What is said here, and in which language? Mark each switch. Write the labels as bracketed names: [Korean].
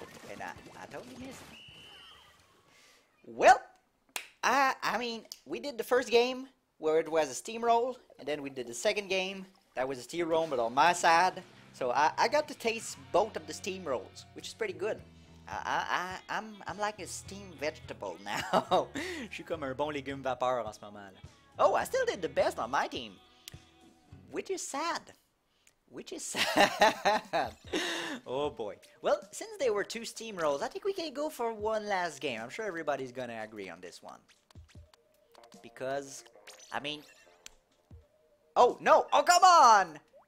[English] And I totally missed. Well, I mean, we did the first game where it was a steamroll, and then we did the second game that was a steamroll, but on my side. So I got to taste both of the steamrolls, which is pretty good. I'm like a steam vegetable now. [French] Je suis comme un bon légume vapeur en ce moment. [English] Oh, I still did the best on my team, which is sad. Which is sad. Oh boy. Well, since there were two steamrolls, I think we can go for one last game. I'm sure everybody's gonna agree on this one. Because, I mean. Oh no! Oh come on!